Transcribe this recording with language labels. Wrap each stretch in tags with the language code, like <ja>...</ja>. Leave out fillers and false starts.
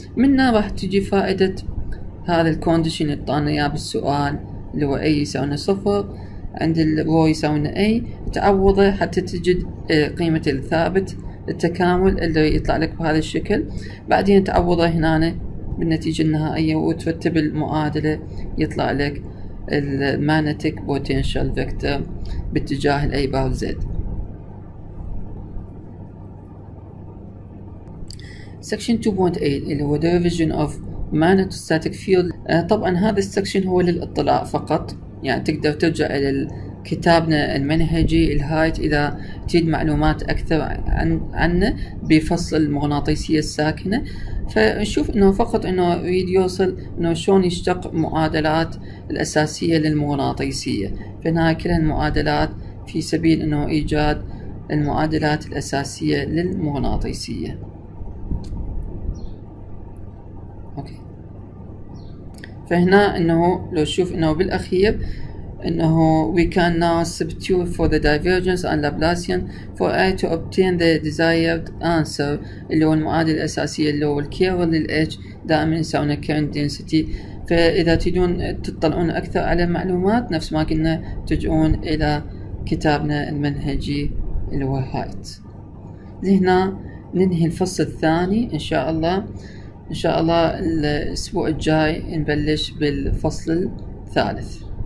<ar>منا راح تجي فائدة هذا الكونديشن اللي اعطانا اياه بالسؤال اللي هو A يساوينا صفر عند الرو يساوينا A، تعوضه حتى تجد قيمة الثابت التكامل اللي يطلع لك بهذا الشكل. بعدين تعوضه هنا بالنتيجة النهائية وترتب المعادلة، يطلع لك المانيتيك بوتنشال فيكتور باتجاه الـ A بار Z.</ar> <en>Section 2.8</en> <ar>اللي هو</ar> <en>Division of Magnetostatic Field.</en> <ar>طبعا هذا السكشن هو للاطلاع فقط، يعني تقدر ترجع إلى كتابنا المنهجي الهايت إذا تريد معلومات أكثر عنه بفصل المغناطيسية الساكنة. فنشوف أنه فقط أنه يريد يوصل أنه شلون يشتق معادلات الأساسية للمغناطيسية. فهنا كل المعادلات في سبيل أنه إيجاد المعادلات الأساسية للمغناطيسية. فهنا انه لو تشوف انه بالاخير انه</ar> <en>we can now substitute for the divergence and Laplacian for I to obtain the desired answer</en> <ar>اللي هو المعادلة الأساسية اللي هو الكيرل للH دائما يساوينا</ar> <en>current density.</en> <ar>فإذا تريدون تطلعون أكثر على المعلومات نفس ما قلنا ترجعون إلى كتابنا المنهجي اللي هو هايت. لهنا ننهي الفصل الثاني إن شاء الله. إن شاء الله الأسبوع الجاي نبلش بالفصل الثالث.</ar>